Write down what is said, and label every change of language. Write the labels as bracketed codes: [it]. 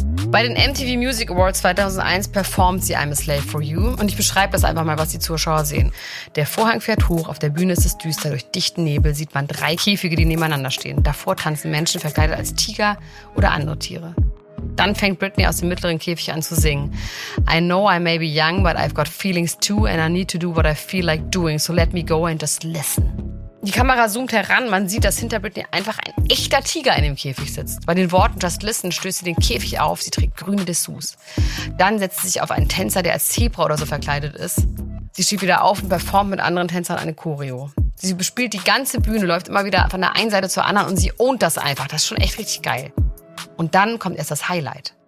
[de] Bei den MTV Music Awards 2001 performt sie I'm a Slave for You. Und ich beschreibe das einfach mal, was die Zuschauer sehen. Der Vorhang fährt hoch, auf der Bühne ist es düster, durch dichten Nebel sieht man 3 Käfige, die nebeneinander stehen. Davor tanzen Menschen verkleidet als Tiger oder andere Tiere. Dann fängt Britney aus dem mittleren Käfig an zu singen. [en] I know I may be young, but I've got feelings too and I need to do what I feel like doing, so let me go and just listen. [de] Die Kamera zoomt heran, man sieht, dass hinter Britney einfach ein echter Tiger in dem Käfig sitzt. Bei den Worten Just Listen stößt sie den Käfig auf, sie trägt grüne Dessous. Dann setzt sie sich auf einen Tänzer, der als Zebra oder so verkleidet ist. Sie steht wieder auf und performt mit anderen Tänzern eine Choreo. Sie bespielt die ganze Bühne, läuft immer wieder von der einen Seite zur anderen und sie ownt das einfach. Das ist schon echt richtig geil. Und dann kommt erst das Highlight.